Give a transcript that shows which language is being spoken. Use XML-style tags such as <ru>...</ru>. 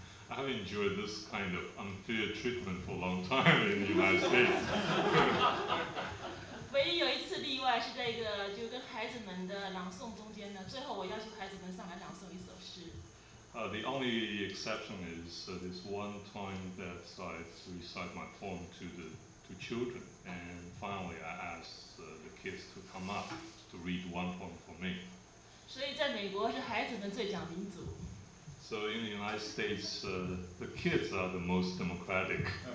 <en>I have enjoyed this kind of unfair treatment for a long time in the United States.</en> <zh>唯一有一次例外是在一个就跟孩子们的朗诵中间呢，最后我要求孩子们上来朗诵一首诗。</zh> <en>The only exception is this one time that I recite my poem to the children, and finally I asked the kids to come up to read one poem for me.</en> <zh>所以在美国是孩子们最讲民主。</zh> <en>So in the United States, the kids are the most democratic.</en>